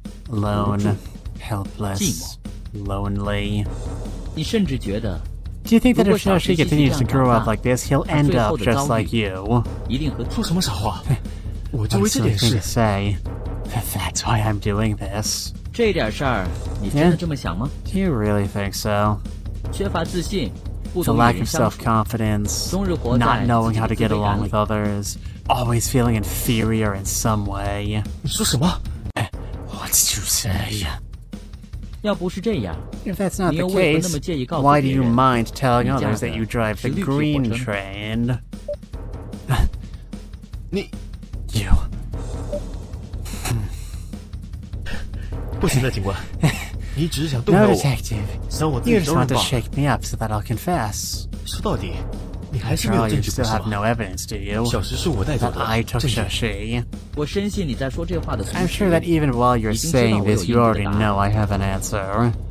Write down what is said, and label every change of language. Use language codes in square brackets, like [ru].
[en] Alone, helpless, lonely. [zh] 你甚至觉得 [en] Do you think that if Zhao Shi continues to grow up like this, he'll end up just like you? [zh] 一定和说什么傻话？我就为这点事。 [en] I'm sorry to say, that's why I'm doing this. [zh] 这点事儿，你真的这么想吗？ [en] Do you really think so? [zh] 缺乏自信，不懂与人相处。 [en] The lack of self-confidence, not knowing how to get along with others, always feeling inferior in some way. [zh] 你说什么？ [en] What did you say? If that's not the case, why do you mind telling others that you drive the green train? You. [zh] 不行的，警官，你只是想动摇我。 [en] No, detective. You just want to shake me up so that I'll confess. [zh] 说到底，你还是没有证据不行。 [en] After all, you still have no evidence, do you? [zh] 小时是我带走的。 [en] I took [zh] 小时。我深信你在说这话的同时， [en] I'm sure that even while you're saying this, you already know I have an answer.